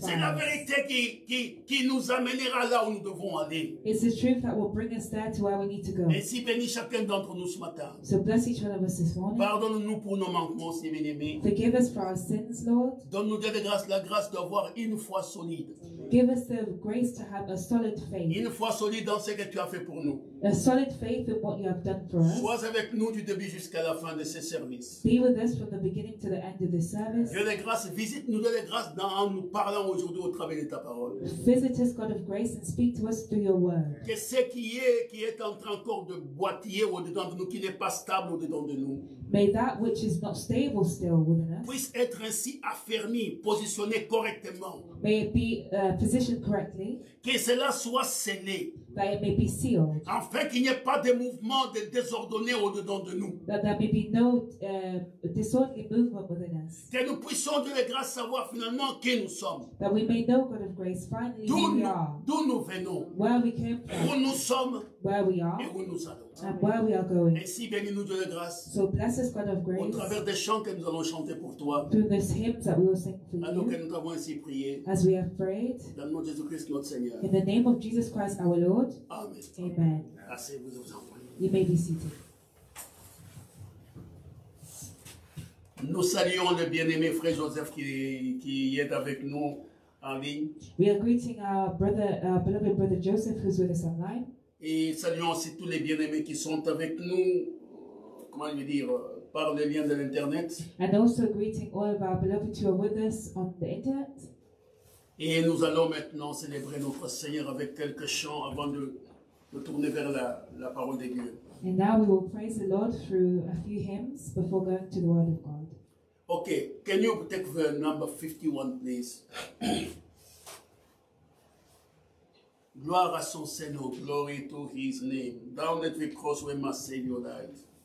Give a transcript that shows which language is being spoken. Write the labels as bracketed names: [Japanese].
[French] C'est la vérité qui nous amènera là où nous devons aller. [English] It's the truth that will bring us there to where we need to go. [French] Ainsi bénis chacun d'entre nous ce matin. [English] So bless each one of us this morning. [French] Pardonne-nous pour nos manquements, si bien-aimés. [English] Forgive us for our sins, Lord. [French] Donne-nous de grâce, la grâce d'avoir une foi solide. [English] Give us the grace to have a solid faith. [French] Une foi solide dans ce que tu as fait pour nous. [English] A solid faith in what you have done for us. [French] Sois avec nous du début jusqu'à la fin de ce service. [English] Be with us from the beginning to the end of the service. [French] Dieu de grâce, visite-nous de grâce dans en nous parlant aujourd'hui au travers de ta parole. [English] Visit us, God of grace, and speak to us through your word. [French] Ce qui est en train encore de boitiller au-dedans de nous, qui n'est pas stable au-dedans de nous. [English] May that which is not stable still within us. [French] Puisse être ainsi affermi, positionné correctement. [English] May it be positioned correctly. [French] Que cela soit scellé. [English] That it may be sealed. [French] Enfin, qu'il n'y ait pas de mouvement de désordonné au-dedans de nous. [English] That there may be no disorderly movement within us. [French] Que nous puissions, Dieu de grâce, savoir finalement qui nous sommes. [English] That we may know, God of grace, finally who we are. [French] D'où nous venons. [English] Where we came from. [French] Où nous sommes. [English] Where we are. [French] Et où nous allons. [English] And where we are going. [French] Ainsi, bénis-nous, Dieu de grâce. [English] So bless us, God of grace. [French] Au travers des chants que nous allons chanter pour toi. [English] Through these hymns that we will sing for you. [French] Alors que nous t'avons ainsi prié. [English] As we have prayed. [French] Dans le nom de Jésus-Christ, notre Seigneur. [English] In the name of Jesus Christ, our Lord. [French] Amen. [English] Amen. You may be seated. [French] Nous saluons le bien-aimé frère Joseph qui est avec nous en ligne. [English] We are greeting our brother, our beloved brother Joseph, who's with us online. [French] Et saluons aussi tous les bien-aimés qui sont avec nous. Comment lui dire? Par le lien de l'internet. [English] And also greeting all of our beloved who are with us on the internet. [French] Et nous allons maintenant célébrer notre Seigneur avec quelques chants avant de tourner vers la parole de Dieu. [English] And now we will praise the Lord through a few hymns before going to the Word of God. Okay, can you take the number 51, please? [French] Gloire à son Seigneur, [English] glory to His name. Down at the cross where my Savior died.